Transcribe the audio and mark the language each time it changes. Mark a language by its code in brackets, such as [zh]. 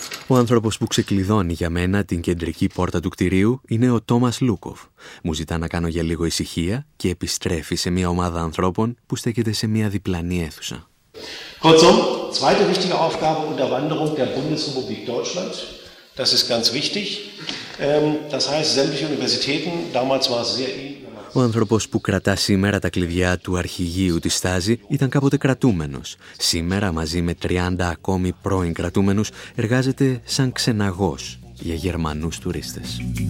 [el] Ο άνθρωπος που ξεκλειδώνει για μένα την κεντρική πόρτα του κτηρίου είναι ο Τόμας Λούκοφ. Μου ζητά να κάνω για λίγο ησυχία και επιστρέφει σε μια ομάδα ανθρώπων που στέκεται σε μια διπλανή αίθουσα. [de] Kurzum, zweite wichtige Aufgabe Unterwanderung der Bundesrepublik Deutschland. Das ist ganz wichtig. Das heißt, sämtliche Universitäten, damals war es sehr ähnlich. [el] Ο άνθρωπος που κρατά σήμερα τα κλειδιά του αρχηγείου της Στάζη ήταν κάποτε κρατούμενος. Σήμερα μαζί με 30 ακόμη πρώην κρατούμενους εργάζεται σαν ξεναγός για Γερμανούς τουρίστες.